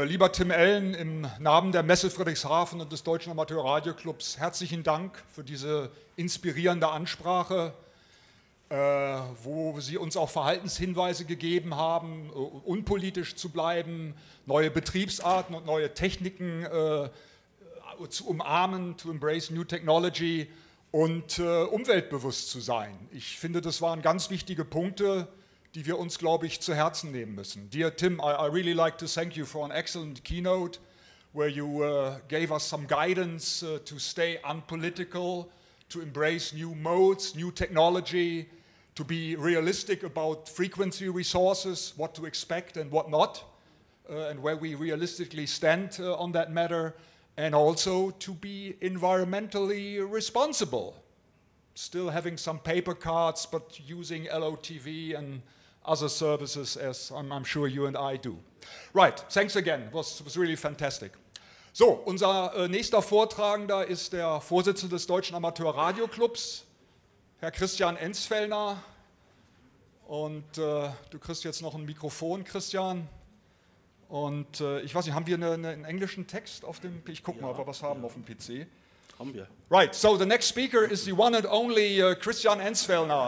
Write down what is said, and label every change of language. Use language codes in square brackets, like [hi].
[de] Lieber Tim Ellen, im Namen der Messe Friedrichshafen und des Deutschen Amateurradioclubs, herzlichen Dank für diese inspirierende Ansprache, wo Sie uns auch Verhaltenshinweise gegeben haben, unpolitisch zu bleiben, neue Betriebsarten und neue Techniken zu umarmen, [en] to embrace new technology [de] und umweltbewusst zu sein. Ich finde, das waren ganz wichtige Punkte, die wir uns, glaube ich, zu Herzen nehmen müssen. [en] Dear Tim, I really like to thank you for an excellent keynote where you gave us some guidance to stay unpolitical, to embrace new modes, new technology, to be realistic about frequency resources, what to expect and what not, and where we realistically stand on that matter, and also to be environmentally responsible. Still having some paper cards, but using LOTV and other services, as I'm sure you and I do. Right, thanks again, was really fantastic. [de] So, unser nächster Vortragender ist der Vorsitzende des Deutschen Amateurradioclubs, Herr Christian Enzfellner. Und du kriegst jetzt noch ein Mikrofon, Christian. Und ich weiß nicht, haben wir einen englischen Text auf dem PC? Ich guck mal, ob wir was haben auf dem PC. Haben wir. [en] Right, so the next speaker is the one and only Christian Enzfellner.